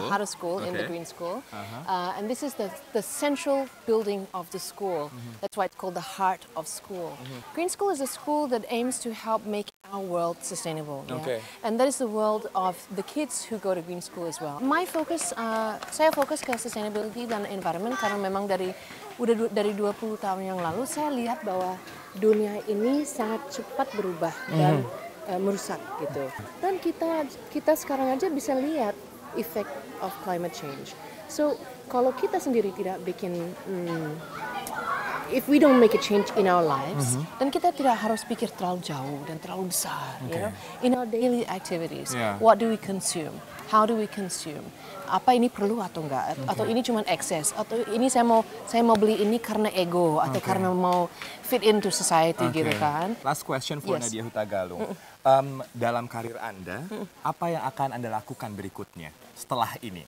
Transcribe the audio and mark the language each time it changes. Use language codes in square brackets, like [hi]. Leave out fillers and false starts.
[en] The heart of school, okay. In the Green School. And this is the central building of the school. That's why it's called the heart of school. Green School is a school that aims to help make our world sustainable. Yeah? Okay. And that is the world of the kids who go to green school as well. My focus, [id] saya fokus ke sustainability dan environment karena memang dari 20 tahun yang lalu saya lihat bahwa dunia ini sangat cepat berubah dan merusak gitu. Dan kita sekarang aja bisa lihat [en] effect of climate change. [id] So kalau kita sendiri tidak bikin [en] if we don't make a change in our lives, then [id] kita tidak harus pikir terlalu jauh dan terlalu besar, okay. [en] You know? In our daily activities, what do we consume? How do we consume? [id] Apa ini perlu atau enggak? Okay. Atau ini cuma excess? Atau ini saya mau beli ini karena ego atau karena mau [en] fit into society [id] gitu kan? [en] Last question for Nadia Hutagalung. [id] Dalam karir Anda, apa yang akan Anda lakukan berikutnya setelah ini?